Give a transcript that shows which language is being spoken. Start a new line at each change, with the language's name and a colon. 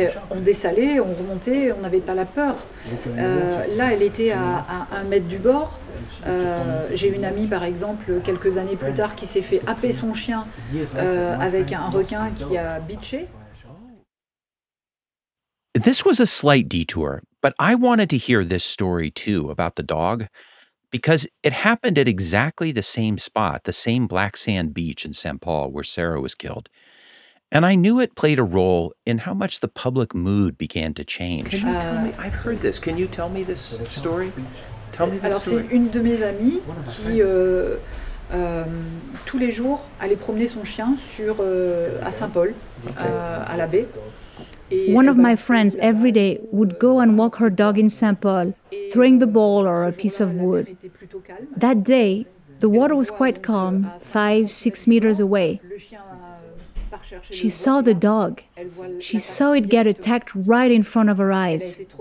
French: On dessalait, on remontait, on n'avait pas la peur. Là, elle était à 1 mètre du bord. J'ai une amie, par exemple, quelques années plus tard, qui s'est fait happer son chien avec un requin qui a bitché.
English: This was a slight detour, but I wanted to hear this story too about the dog. Because it happened at exactly the same spot, the same black sand beach in St. Paul where Sarah was killed. And I knew it played a role in how much the public mood began to change. Can you tell me? I've heard this. Can you tell me this story? Tell me this story.
French: Alors, c'est une de mes amies qui, tous les jours, allait promener son chien sur, à Saint-Paul, à la baie.
English: One of my friends every day would go and walk her dog in Saint-Paul, throwing the ball or a piece of wood. That day, the water was quite calm, 5-6 meters away. She saw the dog. She saw it get attacked right in front of her eyes.